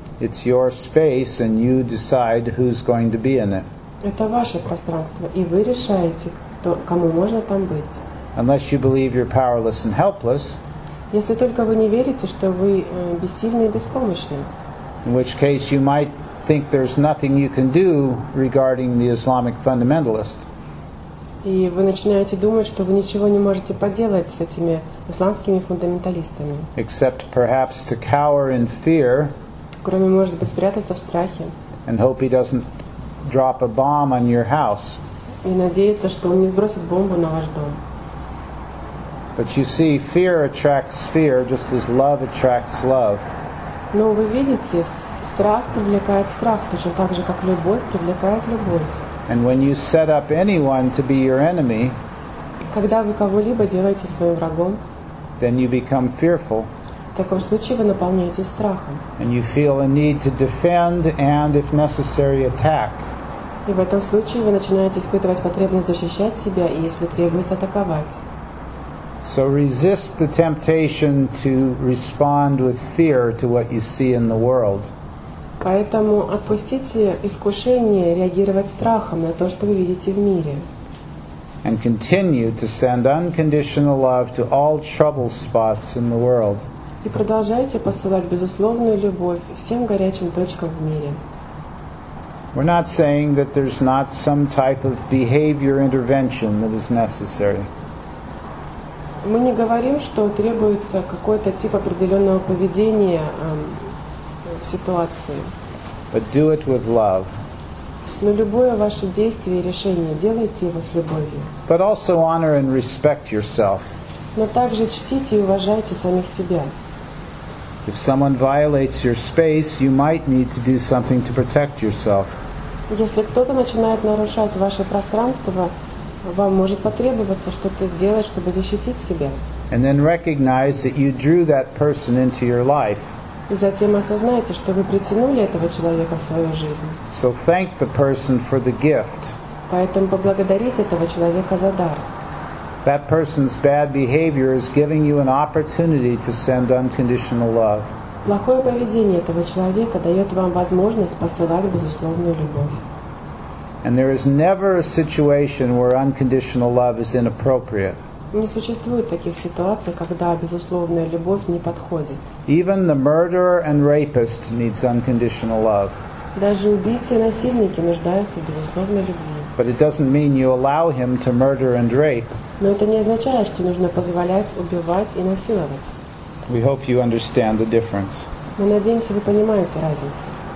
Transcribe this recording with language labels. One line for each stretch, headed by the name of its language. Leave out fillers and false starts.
English: it's your space and you decide who's going to be in it.
Russian: Это ваше пространство, и вы решаете, то, кому можно там быть.
English: Unless you believe you're powerless and helpless,
Russian: если только вы не верите, что вы бессильны и беспомощны,
English: in which case you might think there's nothing you can do regarding the Islamic fundamentalist.
Russian: И вы начинаете думать, что вы ничего не можете поделать с этими исламскими фундаменталистами.
English: Except perhaps to cower in fear.
Russian: Кроме, может быть, спрятаться в страхе.
English: And hope he doesn't drop a bomb on your house.
Russian: И надеяться, что он не сбросит бомбу на ваш дом.
English: But you see, fear attracts fear, just as love attracts love.
Russian: Но вы видите, страх привлекает страх, точно так же, как любовь привлекает любовь.
English: And when you set up anyone to be your enemy,
Russian: когда вы кого-либо делаете своим врагом,
English: then you become fearful.
Russian: В таком случае вы наполняетесь страхом.
English: And you feel a need to defend and, if necessary, attack.
Russian: И в этом случае вы начинаете испытывать потребность защищать себя и, если требуется, атаковать.
English: So resist the temptation to respond with fear to what you see in the world.
Russian: Поэтому отпустите искушение реагировать страхом на то, что вы видите в мире.
English: And continue to send unconditional love to all trouble spots in the world.
Russian: И продолжайте посылать безусловную любовь всем горячим точкам в мире.
English: We're not saying that there's not some type of behavior intervention that is necessary.
Russian: Мы не говорим, что требуется какой-то тип определенного поведения в ситуации.
English: But do it with love.
Russian: Но любое ваше действие и решение делайте его с любовью.
English: But also honor and respect yourself.
Russian: Но также чтите и уважайте самих себя.
English: If someone violates your space, you might need to do something to protect yourself.
Russian: Если кто-то начинает нарушать ваше пространство, вам может потребоваться что-то сделать, чтобы защитить себя.
English: And then recognize that you drew that person into your life.
Russian: И затем осознайте, что вы притянули этого человека в свою жизнь.
English: So thank the person for the gift.
Russian: Поэтому поблагодарите этого человека за дар.
English: That person's bad behavior is giving you an opportunity to send unconditional love.
Russian: Плохое поведение этого человека дает вам возможность посылать безусловную любовь.
English: And there is never a situation where unconditional love is inappropriate.
Russian: Не существует таких ситуаций, когда безусловная любовь не подходит.
English: Even the murderer and rapist needs unconditional love.
Russian: Даже убийцы и насильники нуждаются в безусловной любви.
English: But it doesn't mean you allow him to murder and rape.
Russian: Но это не означает, что нужно позволять убивать и насиловать.
English: We hope you understand the difference.
Russian: Мы надеемся, вы понимаете разницу.